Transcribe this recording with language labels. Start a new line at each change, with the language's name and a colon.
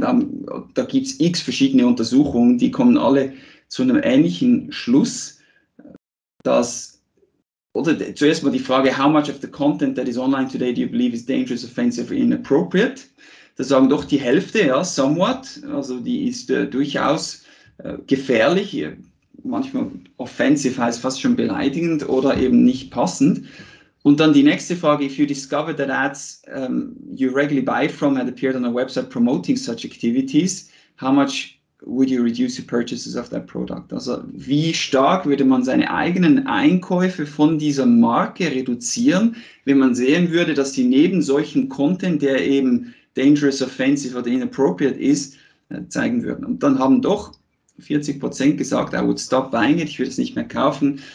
German: Da gibt es x verschiedene Untersuchungen, die kommen alle zu einem ähnlichen Schluss, dass, oder zuerst mal die Frage,
English: how much of the content that is online today do you believe is dangerous, offensive or inappropriate?
German: Da sagen doch die Hälfte, ja, somewhat, also die ist durchaus gefährlich, manchmal offensive heißt fast schon beleidigend oder eben nicht passend. Und dann die nächste Frage,
English: if you discover that ads you regularly buy from had appeared on a website promoting such activities, how much would you reduce the purchases of that product?
German: Also wie stark würde man seine eigenen Einkäufe von dieser Marke reduzieren, wenn man sehen würde, dass sie neben solchem Content, der eben dangerous, offensive oder inappropriate ist, zeigen würden. Und dann haben doch 40% gesagt,
English: I would stop buying it,
German: ich würde es nicht mehr kaufen.